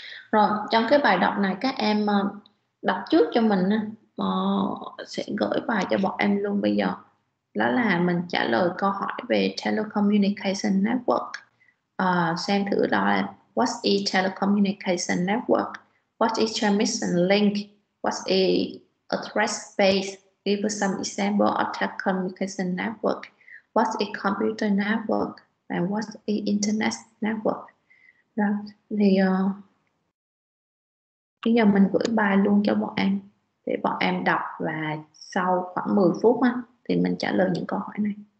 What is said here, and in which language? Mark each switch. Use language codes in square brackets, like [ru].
[vi] Rồi, trong cái bài đọc này các em đọc trước cho mình, sẽ gửi bài cho bọn em luôn bây giờ. Đó là mình trả lời câu hỏi về telecommunication network. Xem thử đó là [en] what is telecommunication network, what is transmission link, what is address space, give some example of telecommunication network, what is computer network and what is internet network. [vi] Đó. Thì Bây giờ mình gửi bài luôn cho bọn em để bọn em đọc, và sau khoảng 10 phút á thì mình trả lời những câu hỏi này.